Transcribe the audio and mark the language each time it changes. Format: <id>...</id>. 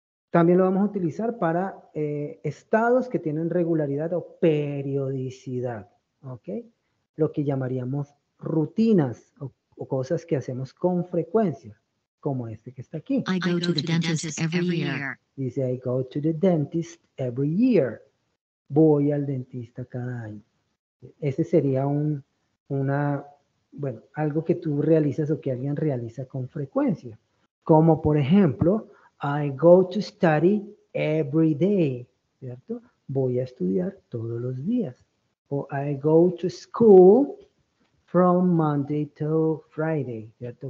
<es>También lo vamos a utilizar para estados que tienen regularidad o periodicidad, ¿ok? Lo que llamaríamos rutinas o cosas que hacemos con frecuencia, como este que está aquí.</es> <en>I go to the dentist every year.</en> <es>Dice,</es> <en>I go to the dentist every year.</en> <es>Voy al dentista cada año. Ese sería algo que tú realizas o que alguien realiza con frecuencia. Como por ejemplo,</es> <en>I go to study every day,</en> <es>¿cierto? Voy a estudiar todos los días. O</es> <en>I go to school from Monday to Friday,</en> <es>¿cierto?</es>